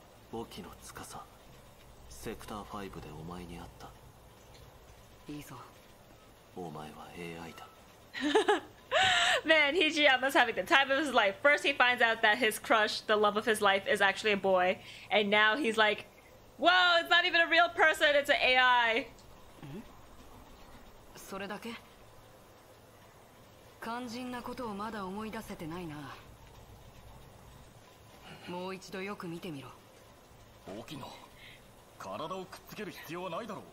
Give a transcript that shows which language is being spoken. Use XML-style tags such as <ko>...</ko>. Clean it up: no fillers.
<ja>墓地の司、セクター5でお前に会った。いいぞ。お前は AI だ。</ja> <en>Man, Hijiyama's having the time of his life. First, he finds out that his crush, the love of his life, is actually a boy. And now he's like, whoa, it's not even a real person, it's an AI.</en> <ja>それだけ？肝心なことをまだ思い出せてないな。もう一度よく見てみろ。大きな。体をくっつける必要はないだろう、</ja>